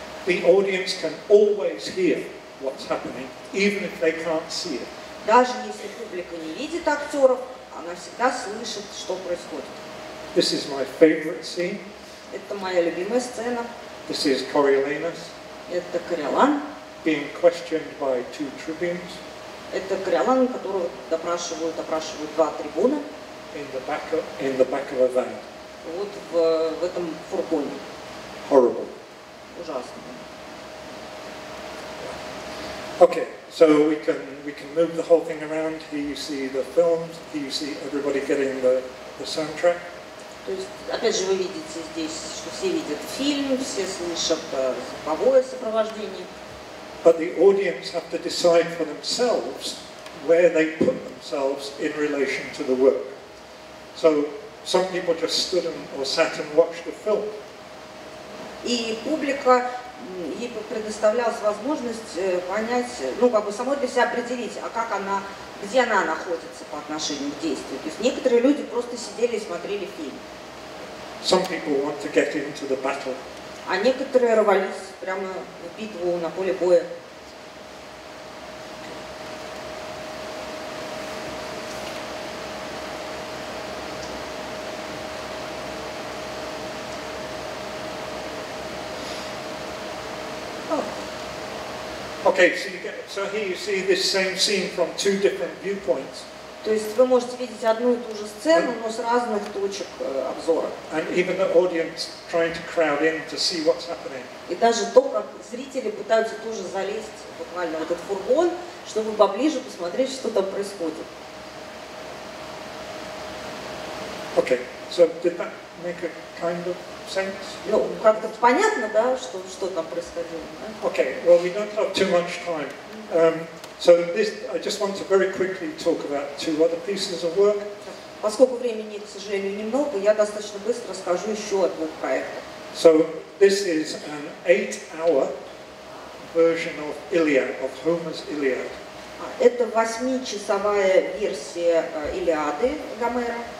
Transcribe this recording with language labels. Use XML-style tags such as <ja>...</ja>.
<en>The audience can always hear what's happening, even if they can't see it.</en> <ru>Даже если публика не видит актеров, она всегда слышит, что происходит.</ru> <en>This is my favorite scene.</en> <ru>Это моя любимая сцена.</ru> <en>This is Coriolanus.</en> <ru>Это Кориолан.</ru> <en>Being questioned by 2 tribunes.</en> <ru>Это Кориолан, которого допрашивают 2 трибуна.</ru> <en>In the back of a van.</en> <ru>Вот в этом фургоне.</ru> <en>Horrible.</en> <ru>Ужасно.</ru> <en>Okay, so we can move the whole thing around. Here you see the films. Here you see everybody getting the soundtrack.</en> <ru>То есть, опять же, вы видите здесь, что все видят фильм, все слышат звуковое сопровождение.</ru> <en>But the audience have to decide for themselves where they put themselves in relation to the work. So some people just stood and or sat and watched the film.</en> <ru>И публика, ей предоставлялась возможность понять, ну, как бы самой для себя определить, а как она, где она находится по отношению к действию. То есть некоторые люди просто сидели и смотрели фильм.</ru> <en>Some people want to get into the battle.</en> <ru>А некоторые рвались прямо в битву на поле боя.</ru> <en>Okay, so here you see this same scene from 2 different viewpoints.</en> <ru>То есть вы можете видеть одну и ту же сцену, но с разных точек обзора.</ru> <en>And even the audience trying to crowd in to see what's happening.</en> <ru>И даже то, как зрители пытаются тоже залезть буквально в этот фургон, чтобы поближе посмотреть, что там происходит.</ru> <en>Okay, so did that make a kind of sense?</en> <ru>Ну, как-то понятно, да, что там происходило. Да?</ru> <en>Okay, well, we don't have too much time. So this, I just want to very quickly talk about 2 other pieces of work.</en> <ru>Поскольку времени, к сожалению, немного, я достаточно быстро расскажу еще о 2 проектах.</ru> <en>So this is an 8-hour version of Iliad, of Homer's Iliad.</en> <ru>Это 8-часовая версия Илиады Гомера.</ru>